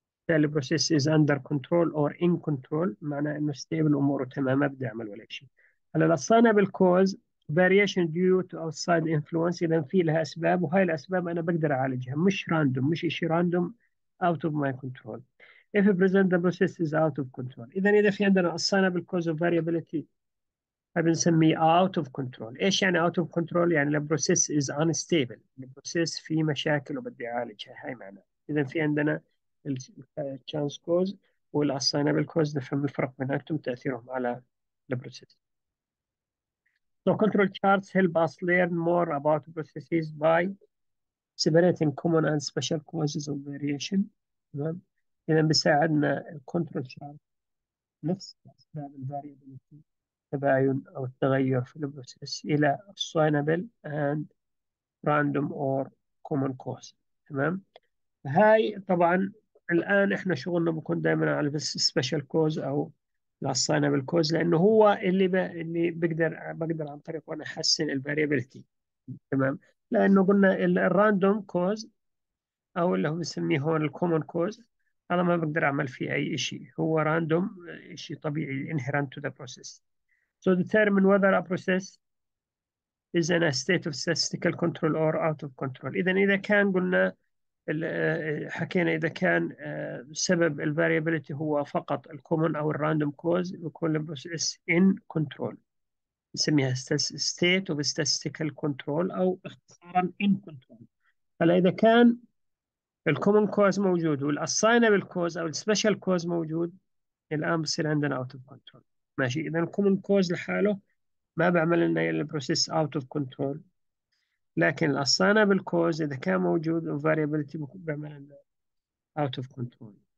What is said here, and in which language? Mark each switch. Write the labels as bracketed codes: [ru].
[en] The process is under control or in control [ar] معناه إنه [en] stable [ar] أموره تمام، ما بدي أعمل ولا شيء. هلا الأصانة [en] cause variation due to outside influence، [ar] إذا في لها أسباب وهاي الأسباب أنا بقدر أعالجها، مش random، مش إشي random [en] out of my control. If present the process is out of control. [ar] إذا في عندنا [en] assignable cause of variability [ar] بنسميه [en] out of control. [ar] إيش يعني [en] out of control؟ يعني the process is unstable. [ar] The process فيه مشاكل وبدي أعالجها، هاي معناه. إذا في عندنا chance cause وال assignable cause، نفهم الفرق بيناتهم تأثيرهم على the process. [en] So control charts help us learn more about processes by separating common and special causes of variation. [ar] تمام؟ إذا بيساعدنا الكنترول شارت نفس أسباب الفاريابيليتي تباين أو التغير في البروسيس إلى [en] assignable and random or common cause. [ar] تمام، هاي طبعا الآن إحنا شغلنا بكون دائما على بس special cause أو assignable cause، لأنه هو اللي بقدر عن طريقه أنا أحسن الفاريابيليتي. تمام، لأنه قلنا الراندوم كوز أو اللي هو بنسميه هون الكومون كوز، أنا ما بقدر أعمل فيه أي شيء، هو راندوم، شيء طبيعي [en] inherent to the process. So determine whether a process is in a state of statistical control or out of control. [ar] إذا كان قلنا حكينا إذا كان سبب ال variability هو فقط ال common أو ال random cause، يكون ال process in control. نسميها [en] state of statistical control [ar] أو اختصارا [en] in control. [ar] هلا إذا كان الكومن كوز موجود والاساينبل كوز او السبيشال كوز موجود، الان بصير عندنا اوت اوف كنترول. ماشي، اذا الكومن كوز لحاله ما بعمل لنا البروسيس اوت اوف كنترول، لكن الاساينبل كوز اذا كان موجود والفاريابيلتي بعمل لنا اوت اوف كنترول.